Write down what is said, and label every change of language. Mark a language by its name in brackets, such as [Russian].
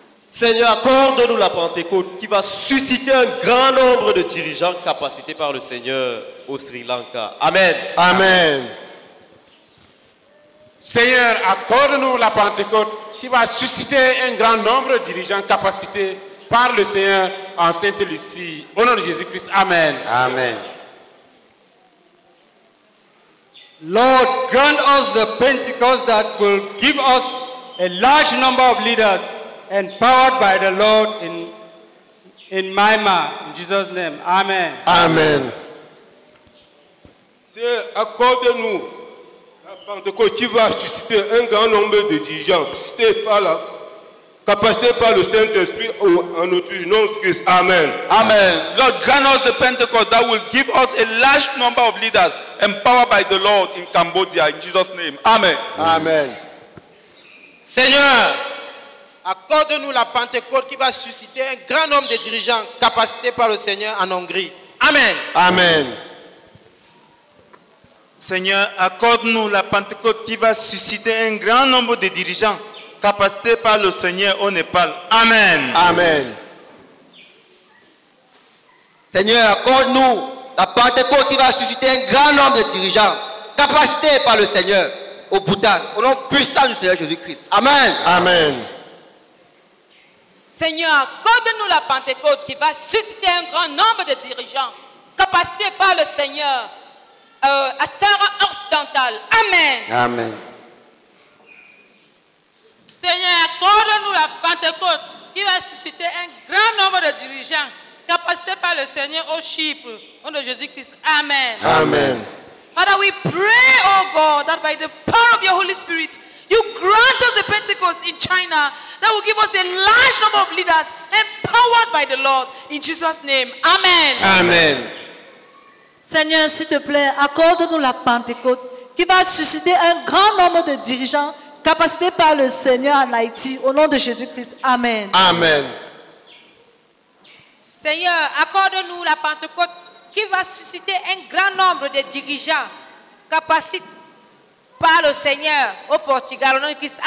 [French] Seigneur, accorde-nous la Pentecôte qui va susciter un grand nombre de dirigeants capacités par le Seigneur au Sri Lanka. Amen. Amen. Seigneur, accorde-nous la Pentecôte qui va susciter un grand nombre de dirigeants capacités par le Seigneur en Sainte-Lucie. Au nom de Jésus-Christ, amen. Amen. [English] Lord, grant us the Pentecost that will give us a large number of leaders empowered by the Lord in Myanmar. In Jesus' name, amen. Amen. [French] Seigneur, accorde-nous la Pentecôte qui va susciter un grand nombre de dirigeants, susciter par la capacité par le Saint-Esprit en notre nom de Christ. Amen. Amen. [English] Lord, grant us the Pentecost that will give us a large number of leaders empowered by the Lord in Cambodia. In Jesus' name. Amen. Amen. [French] Seigneur, accorde-nous la Pentecôte qui va susciter un grand nombre de dirigeants capacités par le Seigneur en Hongrie. Amen. Amen. Seigneur, accorde-nous la Pentecôte qui va susciter un grand nombre de dirigeants capacité par le Seigneur au Népal. Amen. Amen. Seigneur, accorde-nous la Pentecôte qui va susciter un grand nombre de dirigeants capacité par le Seigneur au Bhoutan, au nom puissant du Seigneur Jésus-Christ. Amen. Amen. Seigneur, accorde-nous la Pentecôte qui va susciter un grand nombre de dirigeants capacité par le Seigneur à Sahara Occidental. Amen. Amen. Seigneur, accorde-nous la Pentecôte qui va susciter un grand nombre de dirigeants capacités par le Seigneur au Chypre. Au nom de Jésus-Christ. Amen. Amen. [English] Father, we pray, O God, that by the power of your Holy Spirit, you grant us the Pentecost in China that will give us a large number of leaders empowered by the Lord. In Jesus' name. Amen. Amen. [French] Seigneur, s'il te plaît, accorde-nous la Pentecôte qui va susciter un grand nombre de dirigeants capacité par le Seigneur en Haïti, au nom de Jésus-Christ. Amen. Amen. Seigneur, accorde-nous la Pentecôte qui va susciter un grand nombre de dirigeants capacité par le Seigneur au Portugal, au nom de Christ.